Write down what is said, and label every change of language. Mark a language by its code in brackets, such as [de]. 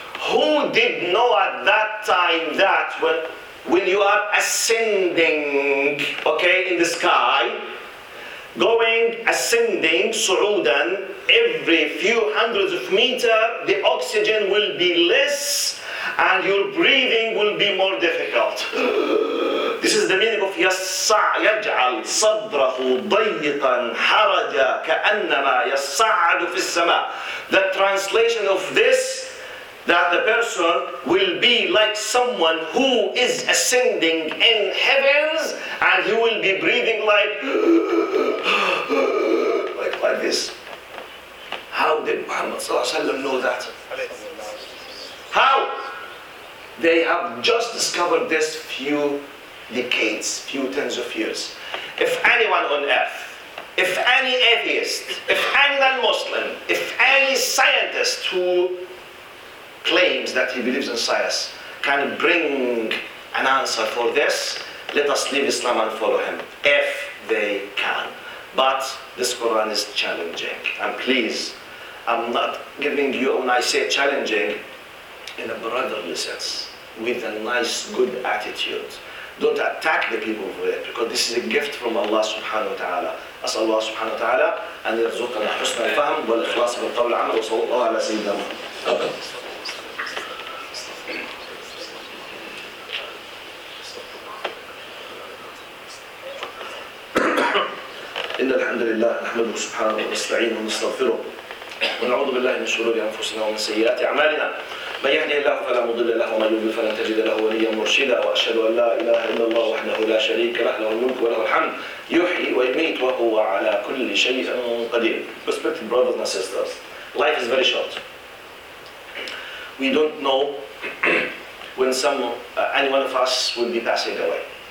[en] Who did know at that time that when you are ascending, okay, in the sky, going, ascending, صعودًا, every few hundreds of meters, the oxygen will be less and your breathing will be more difficult. This is the meaning of [ar] يجعل صدره ضيقا حرجا كأنما يصعد في السماء. [en] The translation of this, that the person will be like someone who is ascending in heavens and he will be breathing like this. How did Muhammad sallallahu alaihi wasallam know that? How? They have just discovered this few tens of years. If anyone on earth, if any atheist, if any non-Muslim, if any scientist who claims that he believes in science can bring an answer for this, let us leave Islam and follow him, if they can. But this Quran is challenging. And please, I'm not giving you, when I say challenging, in a brotherly sense, with a nice, good attitude. Don't attack the people for it, because this is a gift from Allah subhanahu wa ta'ala. [ar] أسأل الله سبحانه وتعالى أن يرزقنا حسن الفهم والإخلاص بالقول العمل وصلى الله على سيدنا محمد. إن الحمد لله نحمده سبحانه ونستعينه ونستغفره ونعوذ بالله من شرور أنفسنا ومن سيئات أعمالنا. من يهدي الله فلا مضل له ومن يضلل فلن تجد له وليا مرشدا. واشهد ان لا اله الا الله وحده لا شريك له, له الملك وله الحمد يحيي ويميت وهو على كل شيء قدير. [en] Respected brothers and sisters, life is very short. We don't know when any one of us will be passing away.